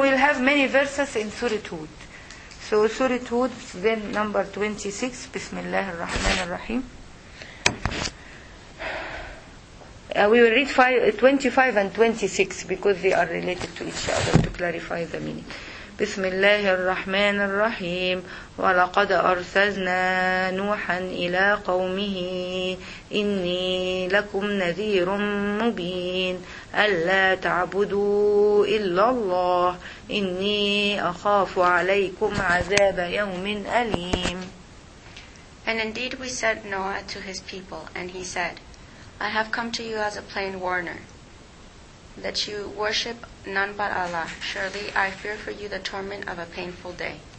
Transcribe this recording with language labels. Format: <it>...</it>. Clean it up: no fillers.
<en>We'll have many verses in Surah Hud. So Surah Hud, then number 26, Bismillah ar-Rahman ar-Rahim. We will read 25 and 26 because they are related to each other to clarify the meaning.</en> <ar>بسم الله الرحمن الرحيم ولقد أرسلنا نوحا إلى قومه إني لكم نذير مبين ألا تعبدوا إلا الله إني أخاف عليكم عذاب يوم أليم.</ar> <en>And indeed we sent Noah to his people, and he said, I have come to you as a plain warner, that you worship none but Allah. Surely I fear for you the torment of a painful day.</en>